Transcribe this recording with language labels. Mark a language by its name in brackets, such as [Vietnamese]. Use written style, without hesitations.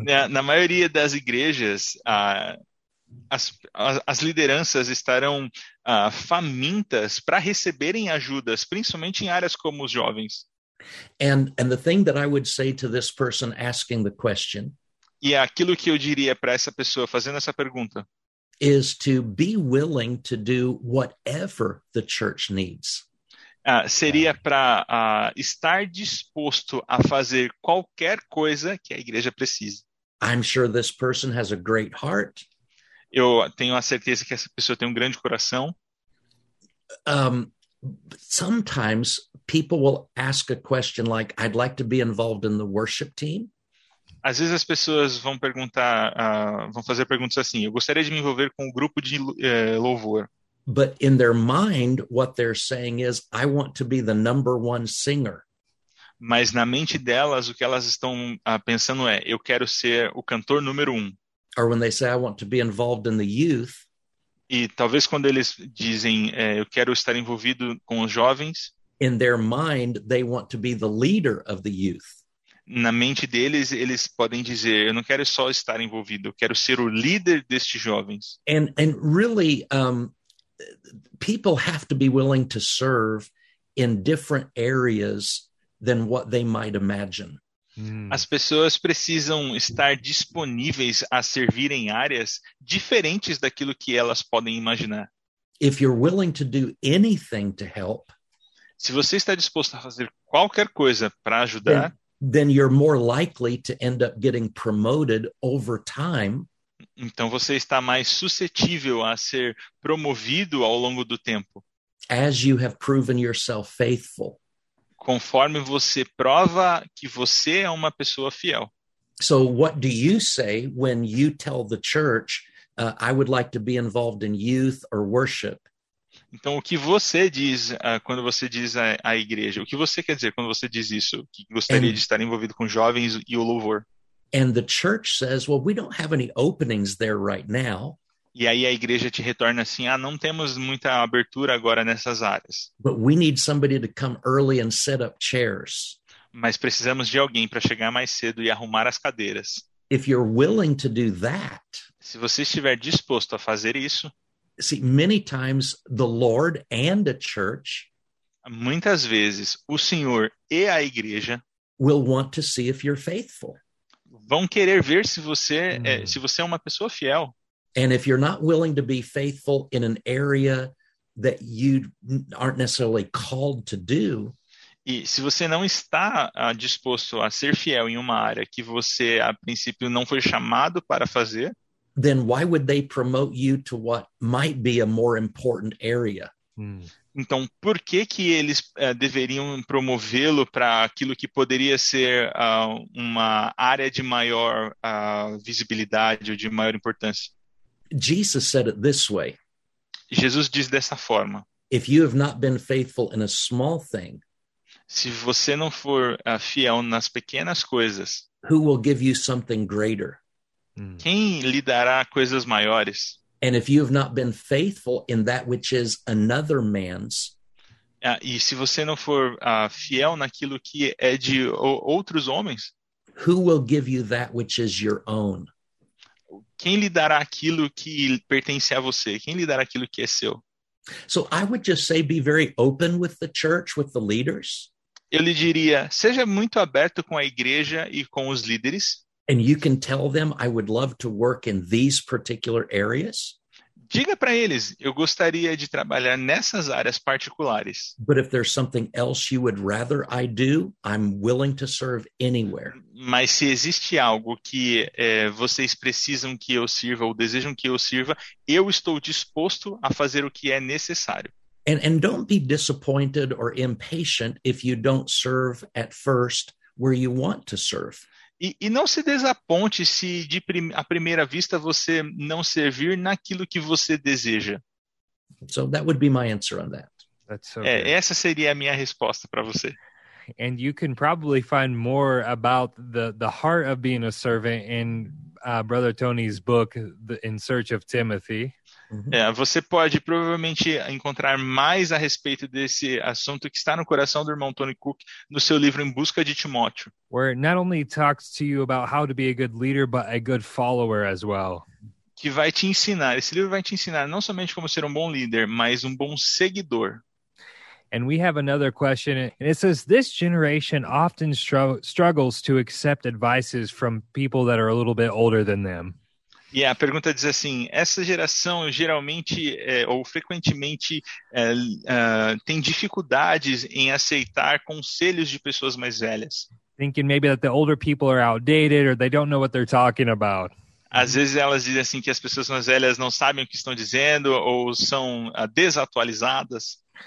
[Portuguese] Na maioria das igrejas, as lideranças estarão famintas para receberem ajudas, principalmente em áreas como os jovens. [English] And the thing that I would say to this person asking the question, [Portuguese] e aquilo que eu diria para essa pessoa fazendo essa pergunta, [English] is to be willing to do whatever the church needs. [Portuguese] Seria para estar disposto a fazer qualquer coisa que a igreja precise. [English] I'm sure this person has a great heart. [Portuguese] Eu tenho a certeza que essa pessoa tem um grande coração. [English] Sometimes people will ask a question like, I'd like to be involved in the worship team. [Portuguese] Às vezes as pessoas vão perguntar, vão fazer perguntas assim, eu gostaria de me envolver com o grupo de louvor. [English] But in their mind, what they're saying is, I want to be the number one singer. [Portuguese] Mas na mente delas, o que elas estão pensando é, eu quero ser o cantor número um. [English] Or when they say, I want to be involved in the youth. [Portuguese] E talvez quando eles dizem, eu quero estar envolvido com os jovens. [English] In their mind, they want to be the leader of the youth. [Portuguese] Na mente deles, eles podem dizer, eu não quero só estar envolvido, eu quero ser o líder destes jovens. [English] And really, people have to be willing to serve in different areas than what they might imagine. [Portuguese] As pessoas precisam estar disponíveis a servir em áreas diferentes daquilo que elas podem imaginar. [English] If you're willing to do anything to help, [Portuguese] se você está disposto a fazer qualquer coisa para ajudar, [English] then you're more likely to end up getting promoted over time. [Portuguese] Então você está mais suscetível a ser promovido ao longo do tempo. [English] As you have proven yourself faithful. [Portuguese] Conforme você prova que você é uma pessoa fiel. [English] So what do you say when you tell the church, I would like to be involved in youth or worship? [Portuguese] Então, o que você diz quando você diz à igreja? O que você quer dizer quando você diz isso? Que gostaria de estar envolvido com jovens e o louvor? [English] And the church says, well, we don't have any openings there right now. [Portuguese] E aí a igreja te retorna assim, ah, não temos muita abertura agora nessas áreas. [English] But we need somebody to come early and set up chairs. [Portuguese] Mas precisamos de alguém para chegar mais cedo e arrumar as cadeiras. [English] If you're willing to do that, [Portuguese] se você estiver disposto a fazer isso, [English] see, many times the Lord and a church, [Portuguese] muitas vezes o Senhor e a igreja, [English] will want to see if you're faithful. [Portuguese] Vão querer ver se você, se você é uma pessoa fiel. [English] And if you're not willing to be faithful in an area that you aren't necessarily called to do, [Portuguese] e se você não está disposto a ser fiel em uma área que você, a princípio, não foi chamado para fazer, [English] then why would they promote you to what might be a more important area? [Portuguese] Então, por que que eles deveriam promovê-lo para aquilo que poderia ser uma área de maior visibilidade ou de maior importância? [English] Jesus said it this way. [Portuguese] Jesus diz dessa forma. [English] If you have not been faithful in a small thing, [Portuguese] se você não for fiel nas pequenas coisas, [English] who will give you something greater? [Portuguese] Quem lhe dará coisas maiores? [English] And if you have not been faithful in that which is another man's, [Portuguese] e se você não for fiel naquilo que é de outros homens, [English] who will give you that which is your own? [Portuguese] Quem lhe dará aquilo que pertence a você? Quem lhe dará aquilo que é seu? [English] So I would just say be very open with the church, with the leaders. [Portuguese] Eu lhe diria, seja muito aberto com a igreja e com os líderes. [English] And you can tell them, I would love to work in these particular areas. [Portuguese] Diga para eles, eu gostaria de trabalhar nessas áreas particulares. [English] But if there's something else you would rather I do, I'm willing to serve anywhere. [Portuguese] Mas se existe algo que vocês precisam que eu sirva ou desejam que eu sirva, eu estou disposto a fazer o que é necessário. [English] And don't be disappointed or impatient if you don't serve at first where you want to serve. [Portuguese] E não se desaponte se à primeira vista você não servir naquilo que você deseja. [English] So that would be my answer on that. That's so good. [Portuguese] Essa seria a minha resposta para você. [English] And you can probably find more about the heart of being a servant in Brother Tony's book, In Search of Timothy. [Portuguese] Você pode provavelmente encontrar mais a respeito desse assunto que está no coração do irmão Tony Cook no seu livro Em Busca de Timóteo. [English] Where it not only talks to you about how to be a good leader, but a good follower as well. [Portuguese] Que vai te ensinar, esse livro vai te ensinar não somente como ser um bom líder, mas um bom seguidor. [English] And we have another question, and it says, this generation often struggles to accept advices from people that are a little bit older than them. [Portuguese] E a pergunta diz assim, essa geração geralmente, ou frequentemente, tem dificuldades em aceitar conselhos de pessoas mais velhas. [English] Thinking maybe that the older people are outdated or they don't know what they're talking about. [Portuguese] Às vezes elas dizem assim que as pessoas mais velhas não sabem o que estão dizendo ou são desatualizadas.